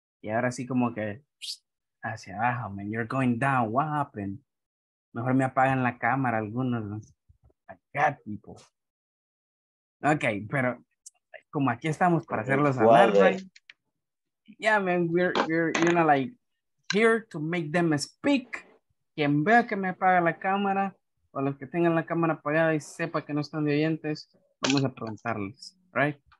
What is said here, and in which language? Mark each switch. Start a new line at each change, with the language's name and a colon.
Spanish: Y ahora sí como que hacia abajo,
English: man. You're going down. What happened?
Spanish: Mejor me apagan la cámara algunos.
English: I got people.
Spanish: Okay, pero como aquí estamos para hacerlos hablar,
English: right? Yeah, man, we're you know, like, here to make them speak.
Spanish: Quien vea que me apaga la cámara o los que tengan la cámara apagada y sepa que no están de oyentes, vamos a preguntarles,
English: right?